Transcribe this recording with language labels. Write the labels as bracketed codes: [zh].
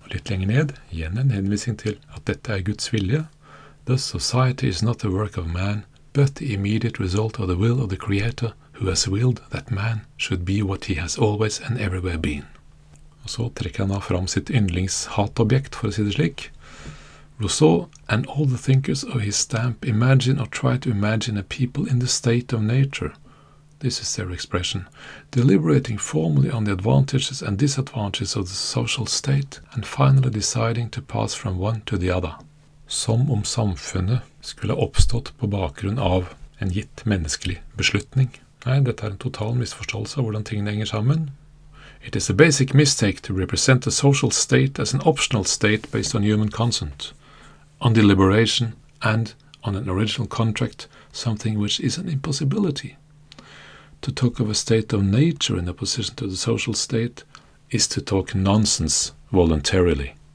[no] Og litt lenger ned, igjen en henvisning til at dette Guds vilje. [en] The society is not the work of man, but the immediate result of the will of the creator who has willed that man should be what he has always and everywhere been. [no] Og så trekker han fram sitt yndlingshatobjekt, for å si det slik. [en] Rousseau and all the thinkers of his stamp imagine or try to imagine a people in the state of nature. This is their expression. Deliberating formally on the advantages and disadvantages of the social state and finally deciding to pass from one to the other. [no] Som om samfunnet skulle ha oppstått på bakgrunn av en gitt menneskelig beslutning. Nei, dette en total misforståelse av hvordan tingene henger sammen. [en] It is a basic mistake to represent the social state as an optional state based on human consent, on deliberation and on an original contract, something which is an impossibility. To talk of a state of nature in opposition to the social state is to talk nonsense voluntarily.